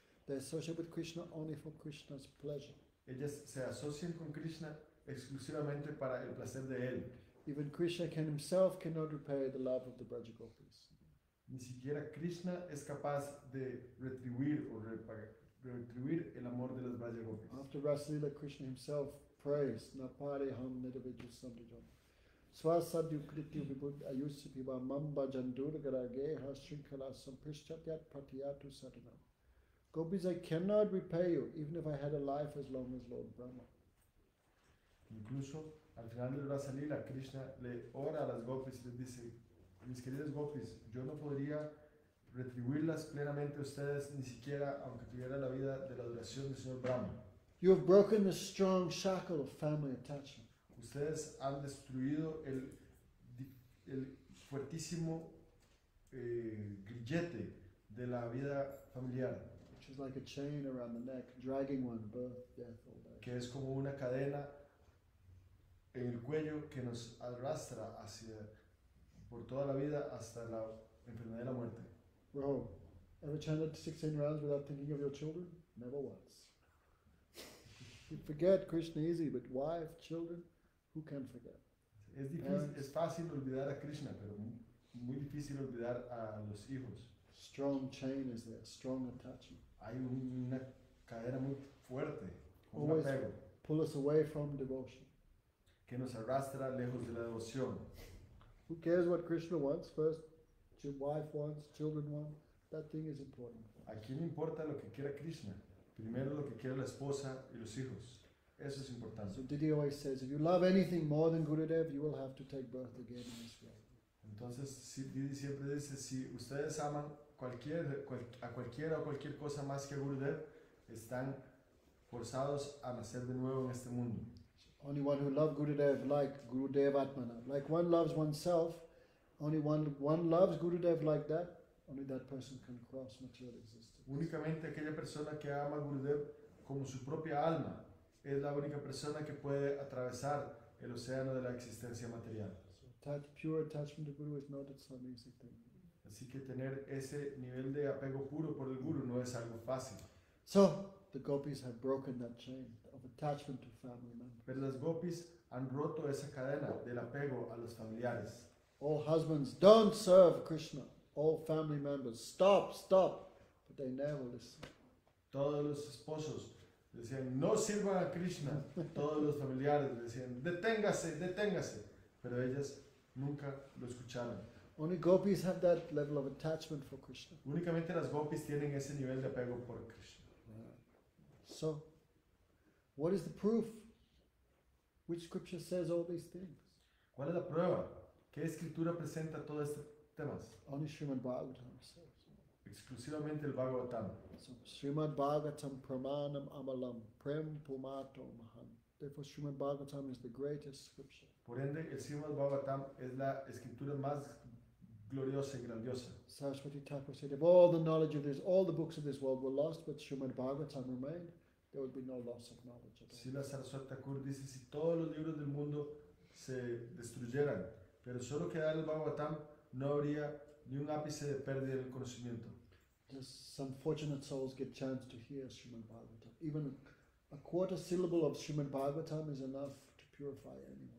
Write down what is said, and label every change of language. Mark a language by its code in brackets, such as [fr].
[en] They associate with Krishna only for Krishna's pleasure. [es] Ellas se asocian con Krishna exclusivamente para el placer de él. [en] Even Krishna can himself cannot repay the love of the Brajagopis. [es] Ni siquiera Krishna es capaz de retribuir o retribuir el amor de las Brajagopis. [en] After Rasalila, Krishna himself prays, [sa] Napari ham nidavidya sandhijam. Swasadhyu kriti vibhut ayusipiva mamba jandurgara geha shrinkala sampishtyat patiyatu sadhana. [en] Gopis, I cannot repay you even if I had a life as long as Lord Brahma. [es] Incluso al final del Rasalila, Krishna le ora a las Gopis y les dice, mis queridas Gopis, yo no podría retribuirlas plenamente a ustedes ni siquiera aunque tuviera la vida de la duración del Señor Brahma. [en] You have broken the strong shackle of family attachment. [es] Ustedes han destruido el fuertísimo grillete de la vida familiar. [en] Which is like a chain around the neck, dragging one birth, death, all that. [es] Que es como una cadena en el cuello que nos arrastra hacia por toda la vida hasta la enfermedad y la muerte. [en] Bro, ever chanted 16 rounds without thinking of your children? Never once. You forget Krishna easy, but wife, children, who can forget? [es] Es difícil, es fácil olvidar a Krishna, pero muy difícil olvidar a los hijos. [en] Strong chain is there, strong attachment. [es] Hay una cadena muy fuerte, [en] always [es] un apego. [en] Pull us away from devotion. [es] Que nos arrastra lejos de la devoción. [en] Who cares what Krishna wants first? Your wife wants, children want. That thing is important. [es] ¿A quién importa lo que quiera Krishna? Primero lo que quiere la esposa y los hijos. Eso es importante. [en] So Didi always says, if you love anything more than Gurudev, you will have to take birth again in this world. [es] Entonces, Didi siempre dice, si ustedes aman a cualquiera o cualquier cosa más que Gurudev, están forzados a nacer de nuevo en este mundo. [en] Only one who loves Gurudev like Gurudev Atmana, like one loves oneself, only one loves Gurudev like that, only that person can cross material existence. [es] Únicamente aquella persona que ama a Gurudev como su propia alma es la única persona que puede atravesar el océano de la existencia material. [en] Pure attachment to Guru is not an easy thing. [es] Así que tener ese nivel de apego puro por el Guru no es algo fácil. [en] So, the gopis have broken that chain of attachment to family members. [es] Pero las gopis han roto esa cadena del apego a los familiares. [en] All husbands, don't serve Krishna. All family members, stop, stop. But they never listen. [es] Todos los esposos decían, no sirvan a Krishna. Todos los familiares decían, deténgase, deténgase. Pero ellas nunca lo escucharon. [en] Only gopis have that level of attachment for Krishna. [es] Únicamente las gopis tienen ese nivel de apego por Krishna. [en] So, what is the proof? Which scripture says all these things? [es] ¿Cuál es la prueba? ¿Qué escritura presenta todos estos temas? [en] Only Srimad Bhagavatam says. [es] Exclusivamente el Bhagavatam. [sa] So, Srimad Bhagavatam Pramanam Amalam Prem Pumato Maham. [en] Therefore, Srimad Bhagavatam is the greatest scripture. [es] Por ende, el Srimad Bhagavatam es la escritura más gloriosa y grandiosa. [en] Saraswati Thakur said, if all the knowledge of this, all the books of this world were lost, but Srimad Bhagavatam remained, there would be no loss of knowledge. [es] Si la Saraswati Thakur dice, si todos los libros del mundo se destruyeran, pero solo quedar el Bhagavatam, no habría ni un ápice de pérdida del conocimiento. [en] Just some fortunate souls get chance to hear Srimad Bhagavatam. Even a quarter syllable of Srimad Bhagavatam is enough to purify anyone.